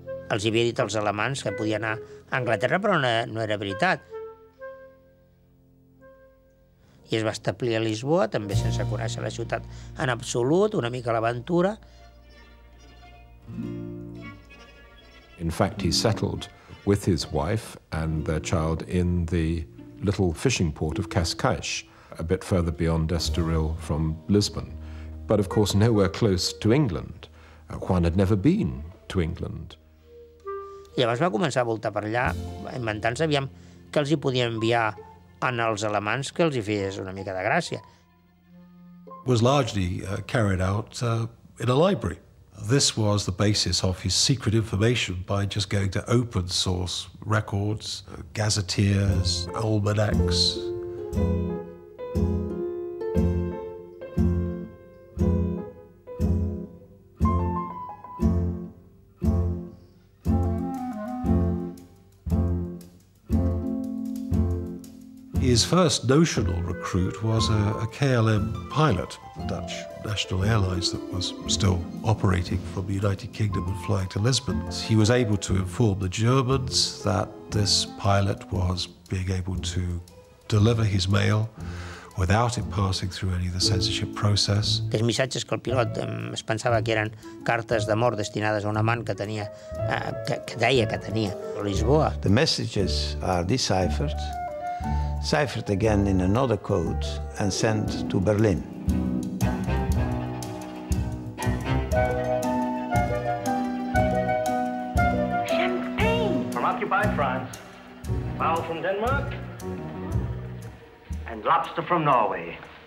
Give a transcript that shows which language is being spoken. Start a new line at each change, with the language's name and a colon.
Catalan: Els havia dit als alemans que podia anar a Anglaterra, però no era veritat. I es va establir a Lisboa, també sense conèixer la ciutat en absolut, una mica a l'aventura,
English: In fact, he settled with his wife and their child in the little fishing port of Cascais, a bit further beyond Estoril from Lisbon. But of course, nowhere close to England. Juan had never been to England.
Catalan: Llavors va començar a voltar per allà, inventant-se aviam que els hi podia enviar en els alemans que els hi fes una mica de gràcia.
English: Was largely carried out in a library. This was the basis of his secret information by just going to open source records, gazetteers, almanacs. His first notional recruit was a KLM pilot, the Dutch National Airlines that was still operating from the United Kingdom and flying to Lisbon. He was able to inform the Germans that this pilot was being able to deliver his mail without it passing through any of the censorship process.
Catalan: Els missatges que el pilot es pensava que eren cartes d'amor destinades a un amant que tenia, que deia que tenia a Lisboa.
English: The messages are deciphered again in another code and sent to Berlin. Champagne! From occupied France, fowl from Denmark, and lobster from Norway.